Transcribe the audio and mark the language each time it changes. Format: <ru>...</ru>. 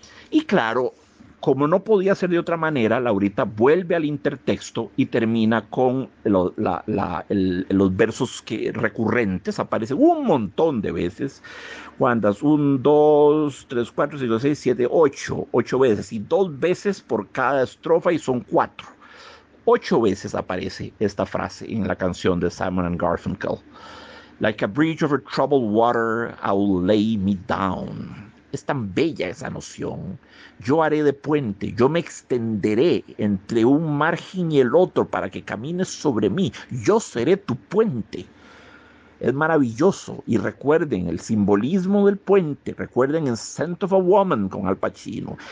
<es>Y claro, como no podía ser de otra manera, Laurita vuelve al intertexto y termina con los versos que recurrentes, aparecen un montón de veces. ¿Cuántas? 1, 2, 3, 4, 5, 6, 7, 8. 8 veces. Y 2 veces por cada estrofa y son 4. 8 veces aparece esta frase en la canción de Simon & Garfunkel.</es> <en>Like a bridge over troubled water, I'll lay me down.</en> <es>Es tan bella esa noción. Yo haré de puente, yo me extenderé entre un margen y el otro para que camines sobre mí. Yo seré tu puente. Es maravilloso. Y recuerden el simbolismo del puente. Recuerden el Scent of a Woman con Al Pacino.</es>